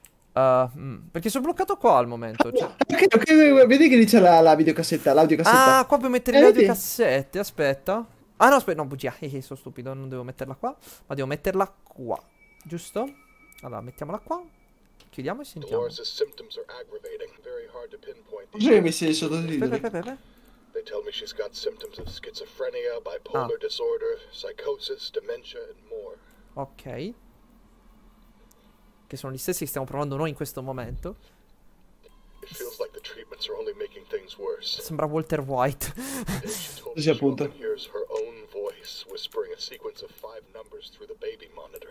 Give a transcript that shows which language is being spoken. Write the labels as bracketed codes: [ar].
[it] Perché sono bloccato qua al momento. Cioè. Vedi che lì c'è la videocassetta, Ah, qua puoi mettere le vedi? audiocassette. Aspetta. Ah, no, aspetta. No, bugia. Sono stupido. Non devo metterla qua. Ma devo metterla qua. Giusto? Allora, mettiamola qua. Ok. Chiudiamo e sentiamo. [en] The symptoms are aggravating. Very hard to pinpoint. [it] Aspetta. [en] They tell me she's got symptoms of schizophrenia, bipolar disorder, psychosis, dementia and more. [it] Ok. Che sono gli stessi che stiamo provando noi in questo momento. [en] It feels like the treatments are only making things worse. [it] Sembra Walter White. Sì, appunto. [en] Here's her own voice whispering a sequence of five numbers through the baby monitor.